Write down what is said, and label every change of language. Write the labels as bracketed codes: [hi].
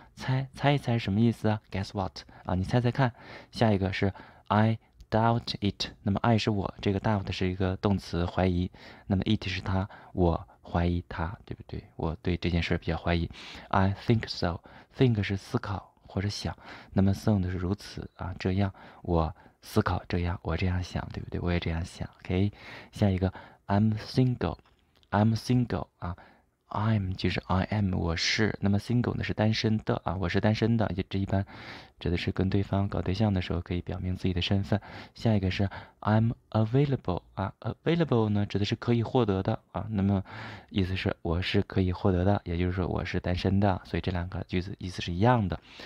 [zh] 猜一猜什么意思啊？ [en] guess what [zh] 啊，你猜猜看。下一个是 [en] I doubt it， [zh] 那么 I 是我，这个 doubt 是一个动词怀疑，那么 it 是他，我。怀疑他，对不对？我对这件事比较怀疑。 [en] I think so. [zh] Think 是思考或者想，那么 so 呢是如此啊，这样我思考，这样我这样想，对不对？我也这样想。 OK，下一个 [en] I'm single [zh] 啊，I'm 就是 [en] I am， [zh] 我是。那么 single 呢是单身的啊，我是单身的，这一般指的是跟对方搞对象的时候可以表明自己的身份。下一个是 [en] I'm available [zh] 啊，available 呢指的是可以获得的啊，那么意思是我是可以获得的，也就是说我是单身的，所以这两个句子意思是一样的。